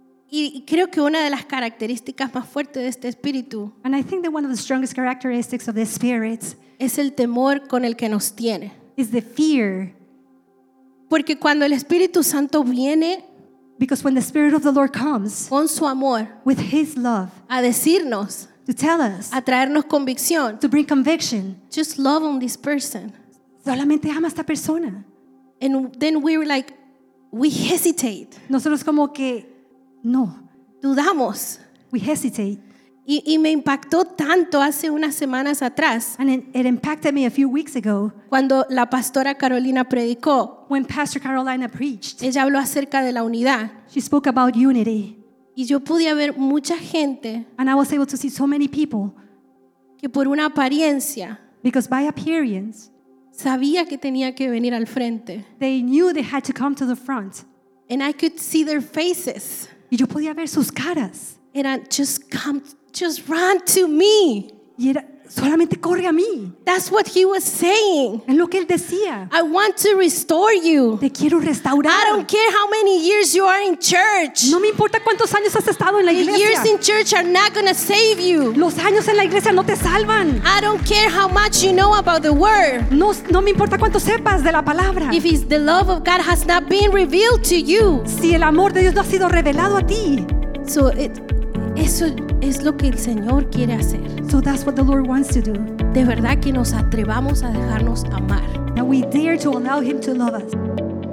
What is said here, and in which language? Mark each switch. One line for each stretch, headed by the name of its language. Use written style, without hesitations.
Spanish: Y creo que una de las características más fuertes de este espíritu,
English: and I think that one of the strongest characteristics of this spirit,
Spanish: es el temor con el que nos tiene.
English: Is the fear.
Spanish: Porque cuando el Espíritu Santo viene,
English: because when the Spirit of the Lord comes,
Spanish: con su amor,
English: with his love,
Spanish: a decirnos,
English: to tell us,
Spanish: a traernos convicción,
English: to bring conviction, just love on this person,
Spanish: solamente ama a esta persona,
English: and then we were like, we hesitate,
Spanish: nosotros como que no dudamos,
English: we hesitate.
Spanish: Y me impactó tanto hace unas semanas atrás,
English: and it impacted me a few weeks ago,
Spanish: cuando la pastora Carolina predicó,
English: when Pastor Carolina preached,
Spanish: ella habló acerca de la unidad,
English: she spoke about unity.
Spanish: Y yo pude ver mucha gente,
English: and I was able to see so many people,
Spanish: que por una apariencia,
English: because by appearance,
Spanish: sabía que tenía que venir al frente,
English: they knew they had to come to the front, and I could see their faces,
Spanish: y yo podía ver sus caras,
English: eran just come, just run to me,
Spanish: y era solamente corre a mí.
English: That's what he was saying.
Spanish: Es lo que él decía.
English: I want to restore you.
Spanish: Te quiero restaurar.
English: I don't care how many years you are in church.
Spanish: No me importa cuántos años has estado en la iglesia.
English: The years in church are not going to save you.
Spanish: Los años en la iglesia no te salvan.
English: I don't care how much you know about the word.
Spanish: No me importa cuánto sepas de la palabra.
English: If it's the love of God has not been revealed to you.
Spanish: Si el amor de Dios no ha sido revelado a ti.
English: So it.
Spanish: Eso es lo que el Señor quiere hacer.
English: So that's what the Lord wants to do.
Spanish: De verdad que nos atrevamos a dejarnos amar.
English: That we dare to allow him to love us.